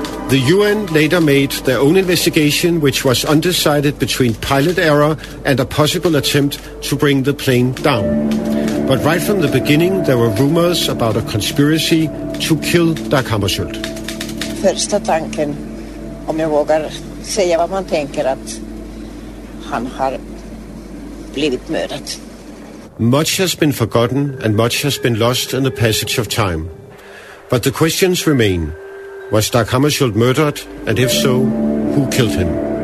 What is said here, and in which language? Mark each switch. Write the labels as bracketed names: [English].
[English] The UN later made their own investigation, which was undecided between pilot error and a possible attempt to bring the plane down. But right from the beginning, there were rumors about a conspiracy to kill Dag Hammarskjöld. [Swedish] Första tanken, om jag vågar säga vad man tänker, att han har blivit mördad. [English] Much has been forgotten and much has been lost in the passage of time. But the questions remain. Was Dag Hammarskjöld murdered? And if so, who killed him?